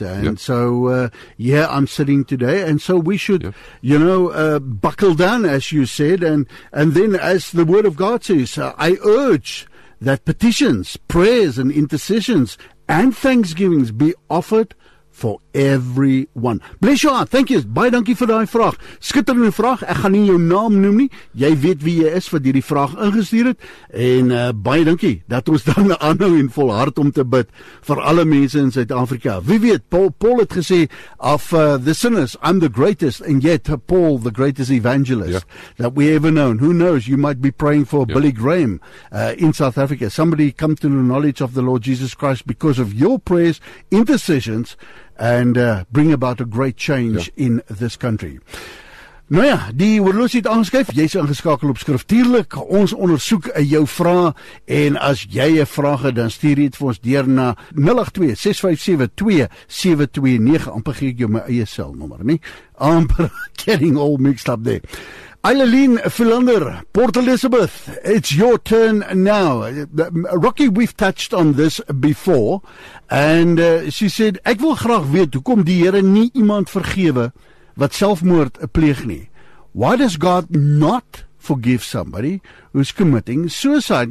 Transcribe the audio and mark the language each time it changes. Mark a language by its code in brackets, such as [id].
[en] And so, I'm sitting today. And so we should, buckle down, as you said. And then, as the Word of God says, I urge that petitions, prayers, and intercessions and thanksgivings be offered for everyone. Bless your heart. Thank you. [af] Baie dankie vir daai vraag. Skitterende vraag. Ek gaan nie jou naam noem nie. Jy weet wie jy is wat hierdie vraag ingestuur het. En baie dankie dat ons dan aanhou en volhard om te bid vir alle mense in Suid-Afrika. Wie weet, Paul het gesê, [en] of the sinners, I'm the greatest, and yet Paul, the greatest evangelist that we ever known. Who knows, you might be praying for Billy Graham in South Africa. Somebody come to the knowledge of the Lord Jesus Christ because of your prayers, intercessions, and bring about a great change in this country. [af] Nou ja, die oorloos het aangeskuif, jy is ingeskakel op skriftuurlik, ons ondersoek jou vraag, en as jy een vraag het, dan stuur jy het vir ons deur na 082-657-2729, amper gee ek jou my eie selnummer nie, amper [en] getting all mixed up there. Eileen Philander, Port Elizabeth, it's your turn now. Rocky, we've touched on this before, and she said, [af] ek wil graag weet, hoekom die Here nie iemand vergewe, wat selfmoord pleeg nie. [en] Why does God not forgive somebody who's committing suicide?